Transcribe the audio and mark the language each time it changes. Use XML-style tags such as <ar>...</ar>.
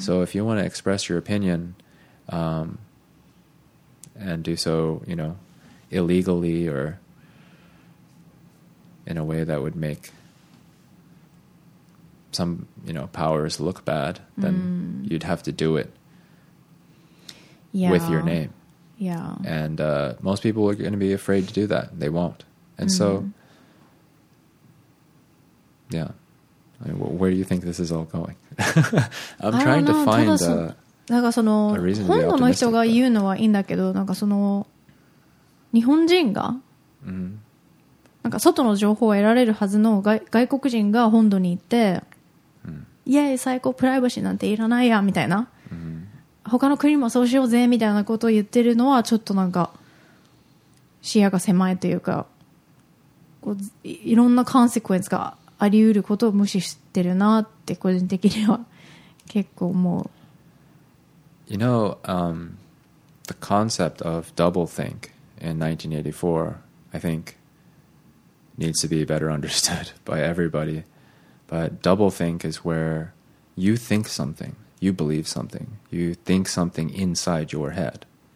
<en>So if you want to express your opinion and do so, you know, illegally or in a way that would make some, you know, powers look bad, then you'd have to do it with your name. Yeah. And most people are going to be afraid to do that. They won't. And so, yeah. I mean, where do you think this is all going? I'm trying to find a reason to be optimistic.</en> <ja>本土の人が言うのはいいんだけど、なんかその日本人が、なんか外の情報を得られるはずの外国人が本土に行って、イエイ最高プライバシーなんていらないやみたいな、他の国もそうしようぜみたいなことを言ってるのはちょっとなんか視野が狭いというか、こういろんなカンセクエンスがあり得ることを無視してるなって個人的には結構思う。</ja> <en>You know, the concept of doublethink in 1984 I think needs to be better understood by everybody. But doublethink is where you think something, you believe something, you think something inside your head.</en>